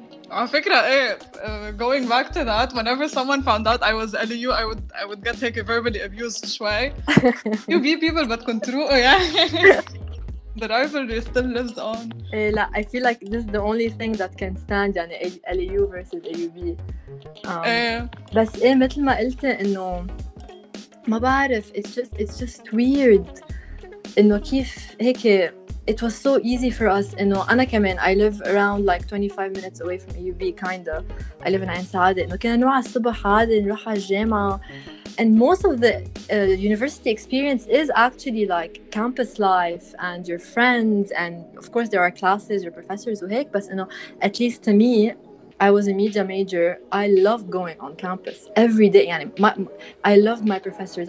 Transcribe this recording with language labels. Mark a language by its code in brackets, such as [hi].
[ar] على فكرة, [en] going back to that, whenever someone found out I was LAU, I would get like verbally abused. [ar] شوي. [en] You be people, but control, yeah. The rivalry still lives on. I feel like this is the only thing that can stand, [ar] يعني [en] LAU versus AUB. [ar] بس مثل ما قلت إنه ما بعرف, [en] it's just weird [ar] إنه كيف هيك. [en] It was so easy for us, you know. [ar] أنا كمان, [en] I live around like 25 minutes away from AUB, kinda. I live in عين سعادة. [ar] إنه كنا نروح الصبح عادة, نروح على الجامعة. [en] And most of the university experience is actually like campus life and your friends. And of course, there are classes, your professors, [ar] وهيك. [en] But, you know, at least to me, I was a media major. I love going on campus every day. [ar] يعني, [en] I love my professors.